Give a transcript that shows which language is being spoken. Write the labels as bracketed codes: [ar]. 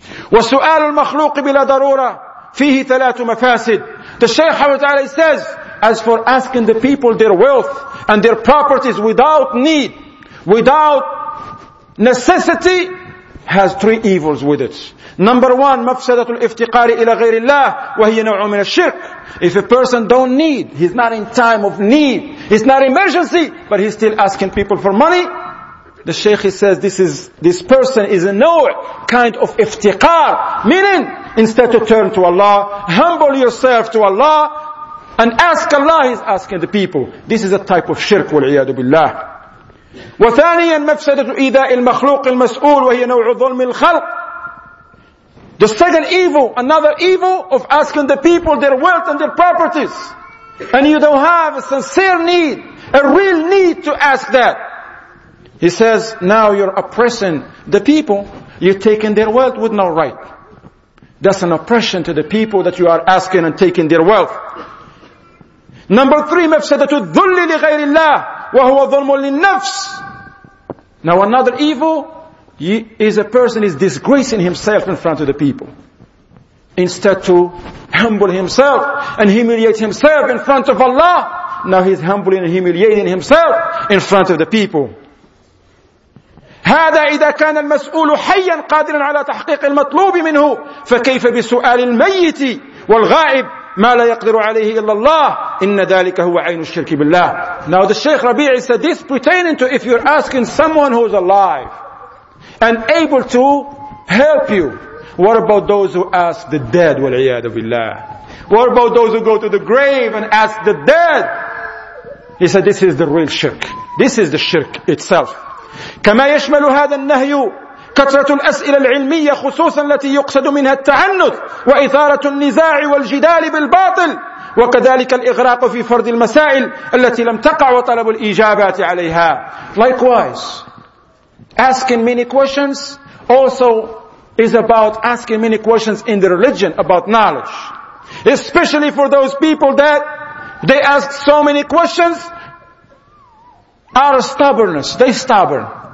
[ar] وَسُؤَالُ الْمَخْلُوقِ بِلَا ضَرُورَةِ فِيهِ ثَلَاثُ مَفَاسِدِ. [en] The Shaykh says, as for asking the people their wealth and their properties without need, without necessity, has three evils with it. Number one, [ar] مَفْسَدَةُ الْإِفْتِقَارِ إِلَى غَيْرِ اللَّهِ وَهِيَ نَوْعُ مِنَ الشِّرْكِ. [en] If a person don't need, he's not in time of need, it's not emergency, but he's still asking people for money, the Shaykh says this person is a new kind of iftiqar, meaning instead to turn to Allah, humble yourself to Allah and ask Allah, he's asking the people. This is a type of shirk, [ar] wal'iyadu billah. وثانيا مفسدة إيذاء المخلوق المسؤول وهي نوع ظلم الخلق. [en] The second evil, another evil of asking the people their wealth and their properties, and you don't have a sincere need, a real need to ask that. He says, now you're oppressing the people. You're taking their wealth with no right. That's an oppression to the people that you are asking and taking their wealth. Number three, [ar] مَفْسَدَةُ الظُّلِّ لِغَيْرِ اللَّهِ وَهُوَ ظُلْمٌ لِلنَّفْسِ. [en] Now another evil is a person is disgracing himself in front of the people. Instead to humble himself and humiliate himself in front of Allah, now he's humbling and humiliating himself in front of the people. [ar] هذا إذا كان المسؤول حيا قادرا على تحقيق المطلوب منه فكيف بسؤال الميت والغائب ما لا يقدر عليه إلا الله إن ذلك هو عين الشرك بالله. [en] Now the Shaykh Rabi'i said this pertaining to if you're asking someone who's alive and able to help you, what about those who ask the dead, [ar] والعياذ بالله. [en] What about those who go to the grave and ask the dead? He said this is the real shirk. This is the shirk itself. [ar] كما يشمل هذا النهي كثرة الأسئلة العلمية خصوصا التي يقصد منها التعنت وإثارة النزاع والجدال بالباطل، وكذلك الإغراق في فرض المسائل التي لم تقع وطلب الإجابات عليها. [en] Likewise, asking many questions also is about asking many questions in the religion about knowledge. Especially for those people that they ask so many questions out of stubbornness. They stubborn.